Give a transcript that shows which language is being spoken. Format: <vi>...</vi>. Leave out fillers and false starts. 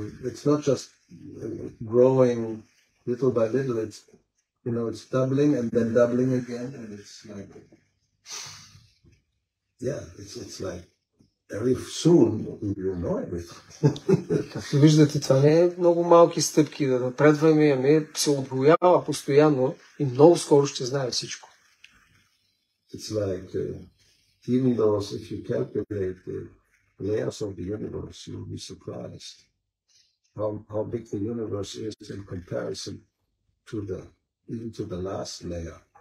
<en>It's not just growing little by little, it's, you know, it's doubling and then doubling again, and it's like, yeah, it's like very soon you know everything.</en> <bg>Виждате, това не е много малки стъпки да напредваме, ами се отгоява постоянно и много скоро ще знае всичко.</bg> <en>It's like even though if you calculate the layers of the universe, you'll be surprised how big the universe is in comparison to the even to the last layer.</en>